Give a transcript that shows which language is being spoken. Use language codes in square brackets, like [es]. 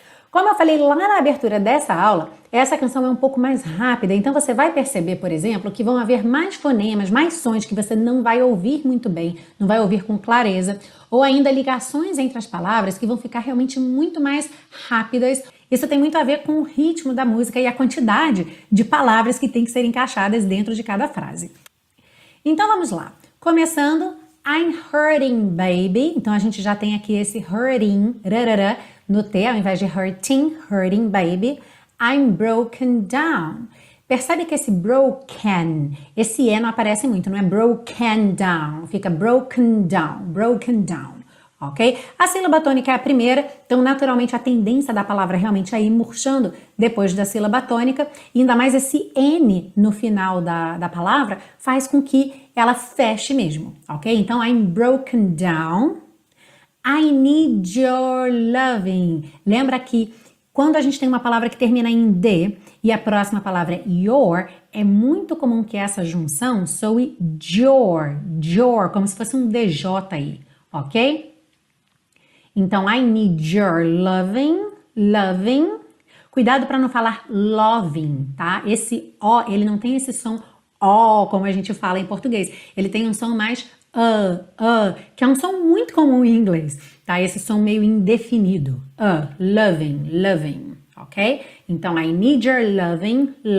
[pt] Como eu falei lá na abertura dessa aula, essa canção é um pouco mais rápida, então você vai perceber, por exemplo, que vão haver mais fonemas, mais sons que você não vai ouvir muito bem, não vai ouvir com clareza, ou ainda ligações entre as palavras que vão ficar realmente muito mais rápidas. Isso tem muito a ver com o ritmo da música e a quantidade de palavras que tem que ser encaixadas dentro de cada frase. Então vamos lá. Começando, [en] I'm hurting, baby. [pt] Então a gente já tem aqui esse hurting, rarara, no T, ao invés de hurting, [en] hurting, baby. I'm broken down. [pt] Percebe que esse broken, esse E não aparece muito, não é [en] broken down, [pt] fica broken down, broken down, ok? A sílaba tônica é a primeira, então naturalmente a tendência da palavra realmente é ir murchando depois da sílaba tônica, e ainda mais esse N no final da palavra faz com que ela feche mesmo, ok? Então, [en] I'm broken down. I need your loving. [pt] Lembra que quando a gente tem uma palavra que termina em D e a próxima palavra é your, é muito comum que essa junção soe your, como se fosse um DJ aí, ok? Então, [en] I need your loving. [pt] Cuidado para não falar loving, tá? Esse O, ele não tem esse som O, como a gente fala em português. Ele tem um som mais que é um som muito comum em inglês, tá? Esse som meio indefinido. Loving, ok? Então, [en] I need your loving.